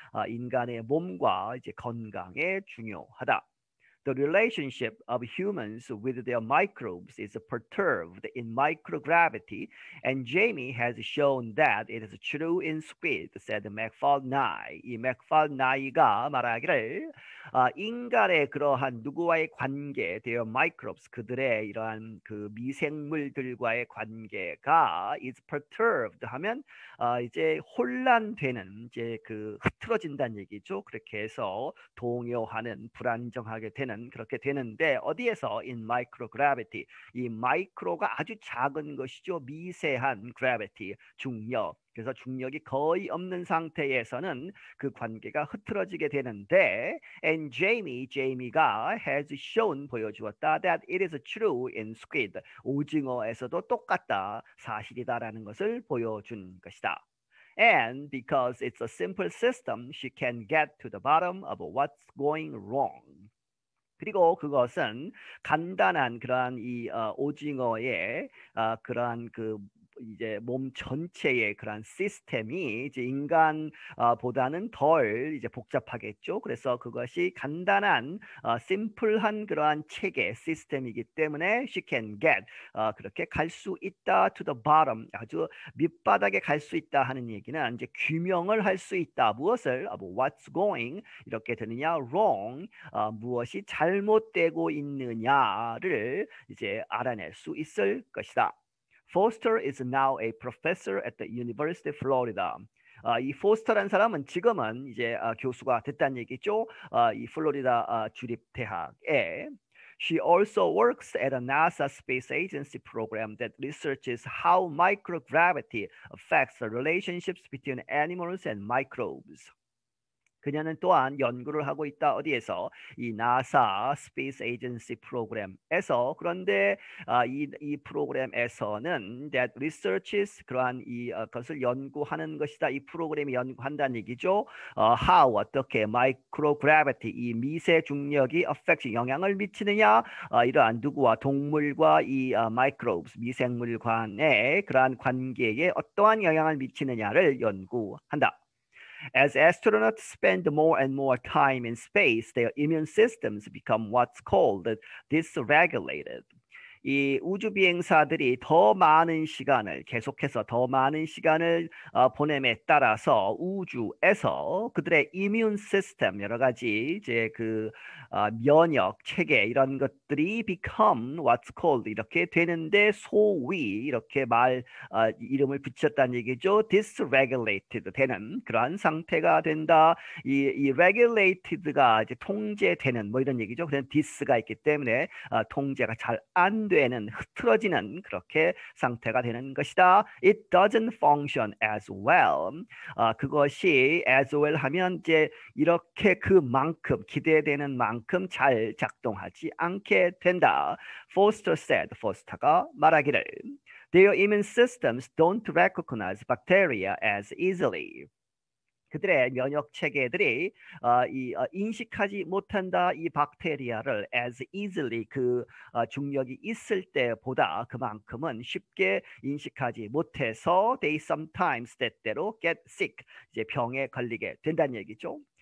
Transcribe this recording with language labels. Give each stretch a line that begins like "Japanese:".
Korean: 인간의 몸과 이제 건강에 중요하다.
English: The relationship of humans with their microbes is perturbed in microgravity, and Jamie has shown that it is true in squid, said MacFarlane.
Korean: 이 MacFarlane가 말하기를 인간의 그러한 누구와의 관계,
English: their microbes,
Korean: 그들의 이러한 그 미생물들과의 관계가
English: is perturbed
Korean: 하면 이제 혼란되는, 이제 그 흐트러진다는 얘기죠. 그렇게 해서 동요하는, 불안정하게 되는 그렇게 되는데 어디에서
English: in microgravity
Korean: 이 마이크로가 아주 작은 것이죠. 미세한 gravity 중력. 그래서 중력이 거의 없는 상태에서는 그 관계가 흐트러지게 되는데 and Jamie가
English: has shown
Korean: 보여주었다
English: that it is true in squid
Korean: 오징어에서도 똑같다. 사실이다라는 것을 보여준 것이다.
English: And because it's a simple system she can get to the bottom of what's going wrong.
Korean: 그리고 그것은 간단한 그러한 이 오징어의 그러한 그 이제 몸 전체의 그러한 시스템이 이제 인간 보다는 덜 이제 복잡하겠죠. 그래서 그것이 간단한 심플한 그러한 체계 시스템이기 때문에
English: she can get
Korean: 그렇게 갈수 있다
English: to the bottom
Korean: 아주 밑바닥에 갈수 있다 하는 얘기는 이제 규명을 할수 있다 무엇을
English: what's going
Korean: 이렇게 되느냐
English: wrong
Korean: 무엇이 잘못되고 있느냐를 이제 알아낼 수 있을 것이다.
English: Foster is now a professor at the University of Florida.
Korean: 이 포스터란 사람은 지금은 이제 교수가 됐다는 얘기죠. 이 플로리다 주립대학에.
English: She also works at a NASA Space Agency program that researches how microgravity affects the relationships between animals and microbes.
Korean: 그녀는 또한 연구를 하고 있다. 어디에서? 이 나사 스페이스 에이전시 프로그램에서. 그런데 이 프로그램에서는
English: that researches
Korean: 그러한 이 것을 연구하는 것이다. 이 프로그램이 연구한다는 얘기죠.
English: How
Korean: 어떻게 microgravity 이 미세 중력이
English: affects
Korean: 영향을 미치느냐? 이러한 누구와 동물과 이 microbes 미생물 간의 그러한 관계에 어떠한 영향을 미치느냐를 연구한다.
English: As astronauts spend more and more time in space, their immune systems become what's called dysregulated.
Korean: 이 우주 비행사들이 더 많은 시간을 계속해서 더 많은 시간을 보냄에 따라서 우주에서 그들의 immune system 여러 가지 이제 그 면역 체계 이런 것들이
English: become what's called
Korean: 이렇게 되는데 소위 이렇게 말 이름을 붙였다는 얘기죠. dysregulated 되는 그러한 상태가 된다. 이 regulated가 이제 통제되는 뭐 이런 얘기죠. 그냥 dys가 있기 때문에 통제가 잘안 되는 흐트러지는 그렇게 상태가 되는 것이다.
English: It doesn't function as well.
Korean: 그것이
English: as well
Korean: 하면 이제 이렇게 그만큼 기대되는 만큼 잘 작동하지 않게 된다.
English: Foster said,
Korean: Foster가 말하기를
English: Their immune systems don't recognize bacteria as easily.
Korean: 그들의 면역 체계들이 인식하지 못한다 이 박테리아를
English: as easily
Korean: 그 중력이 있을 때보다 그만큼은 쉽게 인식하지 못해서
English: they sometimes
Korean: 때때로
English: get sick
Korean: 이제 병에 걸리게 된다는 얘기죠.